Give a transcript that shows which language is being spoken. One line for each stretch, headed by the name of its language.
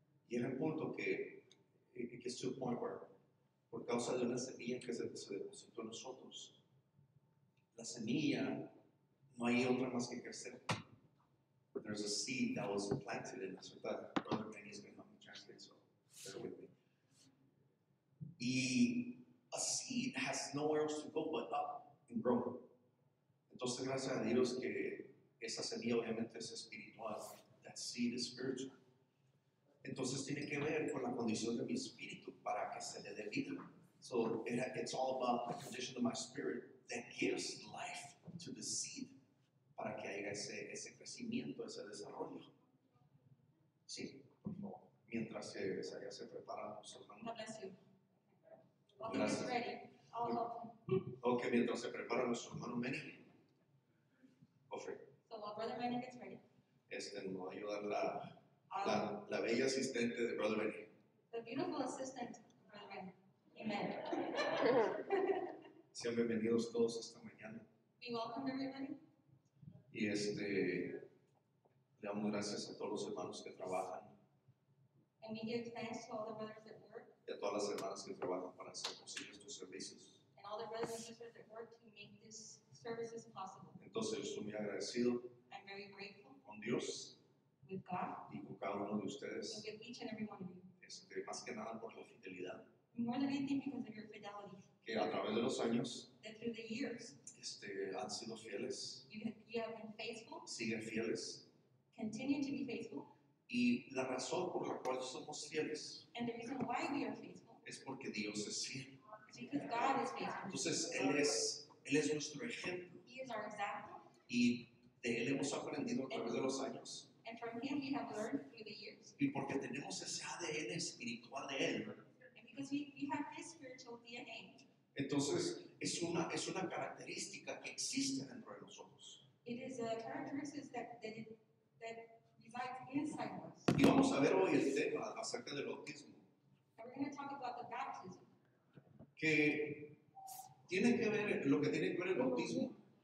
Spanish: Y era el punto que es un punto where, por causa de una semilla que se depositó en nosotros, la semilla no hay otra más que crecer.
English: But there's a seed that was planted in us. That brother Manny is going to help me translate, so bear with me. Y a seed has nowhere else to go but up and grow. Entonces, gracias a Dios que esa semilla obviamente es espiritual. That seed is spiritual.
Spanish: Entonces tiene que ver con la condición de mi espíritu para que se le dé vida.
English: So it's all about the condition of my spirit that gives life to the seed
Spanish: para que haya ese crecimiento, ese desarrollo. Sí, por favor. Mientras se prepara su hermano.
English: God bless you.
Spanish: Gracias.
English: you're ready. All welcome.
Spanish: Okay, mientras se prepara nuestro hermano Manny. Ofre.
English: So while brother Manny gets ready.
Spanish: Nos va a ayudar la bella asistente de Brother Benny.
English: The beautiful assistant, Brother Benny. Amen.
Spanish: Sean bienvenidos todos esta mañana.
English: We welcome everybody.
Spanish: Y le damos gracias a todos los hermanos que trabajan.
English: And we give thanks to all the brothers that work.
Spanish: Y a todas las hermanas que trabajan para hacer posible estos servicios.
English: And all the brothers and sisters that work to make these services possible.
Spanish: Entonces, yo estoy muy agradecido.
English: I'm very grateful.
Spanish: Con Dios.
English: With God.
Spanish: Y con cada uno de ustedes.
English: And with each and every one of you.
Spanish: Más que nada por la fidelidad.
English: More than anything because of your fidelity.
Spanish: Que a través de los años.
English: That through the years.
Spanish: Han sido fieles.
English: You have been faithful.
Spanish: Siguen fieles.
English: Continue to be faithful.
Spanish: Y la razón por la cual somos fieles.
English: And the reason why we are faithful.
Spanish: Es porque Dios es fiel.
English: Because God is faithful.
Spanish: Entonces él es nuestro ejemplo.
English: He is our example.
Spanish: Y de él hemos aprendido a través de los años.
English: And from him we have learned through the years.
Spanish: Y porque tenemos ese ADN espiritual de él.
English: And because we have his spiritual DNA.
Spanish: Entonces, es una característica que existe dentro de nosotros.
English: It is a characteristic that resides inside us.
Spanish: Y vamos a ver hoy el tema acerca del bautismo.
English: And we're going to talk about the baptism.
Spanish: Que tiene que ver lo que tiene que ver el bautismo.